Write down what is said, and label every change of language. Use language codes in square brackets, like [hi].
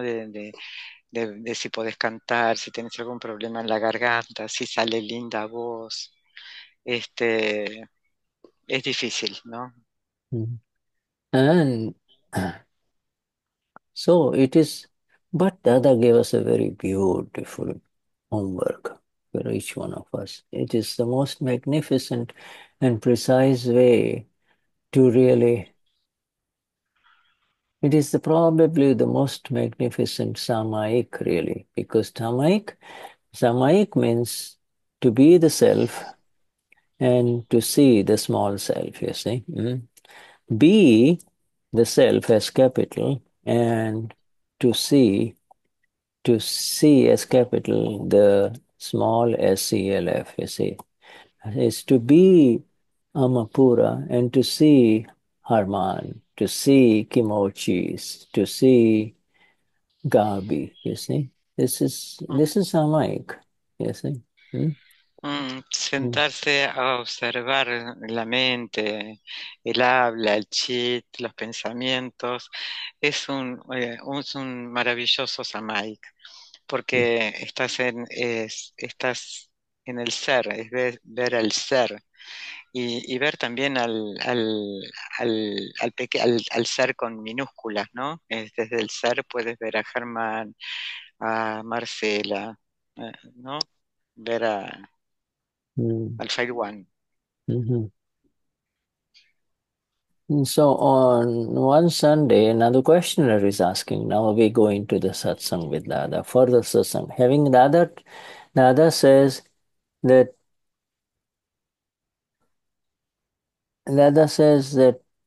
[es] De si podés cantar, si tenés algún problema en la garganta, si sale linda voz, es difícil, ¿no? [en] And so it is, but Dada gave us a very beautiful homework for each one of us. It is the most magnificent and precise way to really, it is probably the most magnificent samayik, really, because samayik means to be the self and to see the small self, you see. Be the self as capital and to see as capital the small self, you see. It's to be Amapura and to see Harman, to see Kimochis, to see Gabi, you see. This is Amaik, you see. [es] Sentarse a observar la mente, el habla, el chit, los pensamientos, es un maravilloso samaik, porque estás en el ser, es ver al ser y ver también al ser con minúsculas, ¿no? Desde el ser puedes ver a Germán, a Marcela, ¿no? Ver a [en] Alpha One. Mm-hmm. So on one Sunday, another questioner is asking, now we go into the satsang with Dada, for the satsang. Having Dada, Dada says that, Dada says that